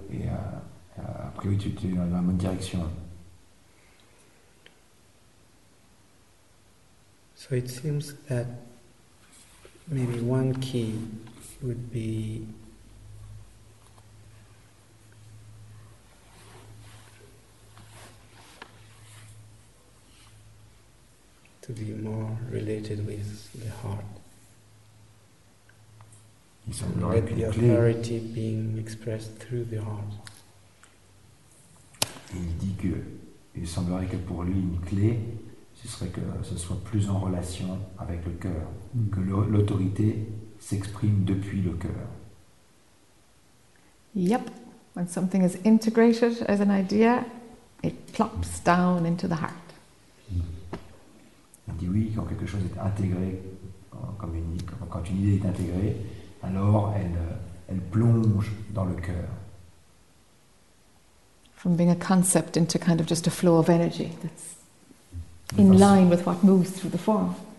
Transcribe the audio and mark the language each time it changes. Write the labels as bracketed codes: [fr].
[fr] Et a priori, tu es dans la bonne direction. [en] So it seems that maybe one key would be. To be more related with the heart. [fr] Il semblerait [en] let [fr] que [en] the authority being expressed through the heart. [fr] Il dit que il semblerait que pour lui une clé, ce serait que ce soit plus en relation avec le cœur, que l'autorité s'exprime depuis le cœur. [en] Yep, when something is integrated as an idea, it plops down into the heart. [fr] dit oui, quand quelque chose est intégré, quand une idée est intégrée, alors elle plonge dans le cœur. [en] From being a concept into kind of just a flow of energy that's in line with what moves through the form.